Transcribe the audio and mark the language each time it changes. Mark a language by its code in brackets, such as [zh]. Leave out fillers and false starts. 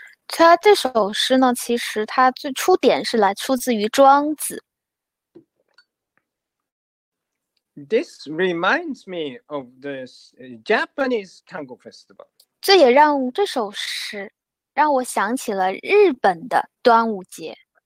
[zh] 它这首诗呢，其实它最初点是来出自于庄子。 [en] This reminds me of the Japanese Tango Festival. [zh] 这首诗让我想起了日本的端午节。